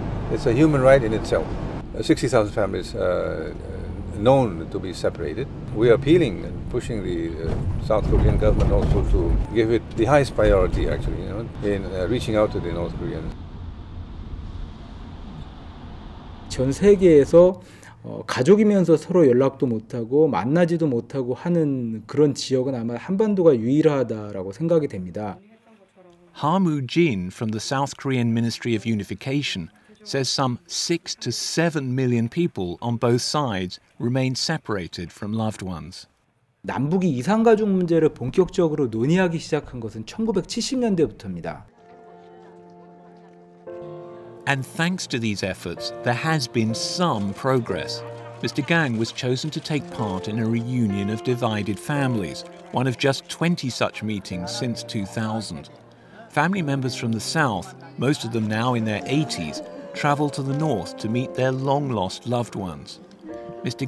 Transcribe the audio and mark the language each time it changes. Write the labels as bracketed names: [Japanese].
[English] It's a human right in itself. 60,000 families known to be separated. We are appealing and pushing the South Korean government also to give it the highest priority, actually, you know, in reaching out to the North Koreans. [Korean] 전 세계에서 가족이면서 서로 연락도 못하고 만나지도 못하고 하는 그런 지역은 아마 한반도가 유일하다라고 생각이 됩니다. [English] Ha Moo-jin from the South Korean Ministry of Unification says some 6 to 7 million people on both sides remain separated from loved ones. [Korean] 남북이 이산가족 문제를 본격적으로 논의하기 시작한 것은 1970년대부터입니다. [English] And thanks to these efforts, there has been some progress. Mr. Gang was chosen to take part in a reunion of divided families, one of just 20 such meetings since 2000. Family members from the South, most of them now in their 80s, travel to the North to meet their long-lost loved ones. Mr.